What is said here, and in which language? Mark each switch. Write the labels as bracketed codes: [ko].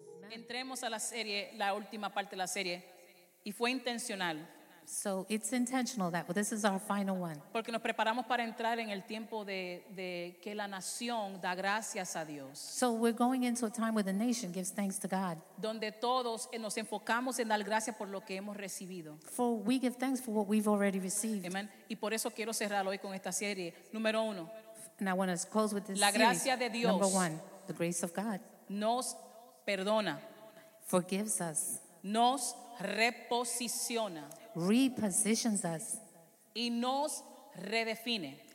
[es] Entremos a la serie, la última parte de la serie. Y fue intencional. [en] So it's intentional that this is our final one. [es] Porque nos preparamos para entrar en el tiempo de que la nación da gracias a Dios. [en] So we're going into a time where the nation gives thanks to God. [es] Donde todos nos enfocamos en dar gracias por lo que hemos recibido. [en] For we give thanks for what we've already received. Amen. [es] Y por eso quiero cerrar hoy con esta serie. Número uno. [en] And I want to close with this [es] la gracia [en] series. [es] De Dios. [en] Number one, the grace of God. [es] Nos perdona. [en] Forgives us. [es] Nos reposiciona. [en] Repositions us. [es] Y nos redefine.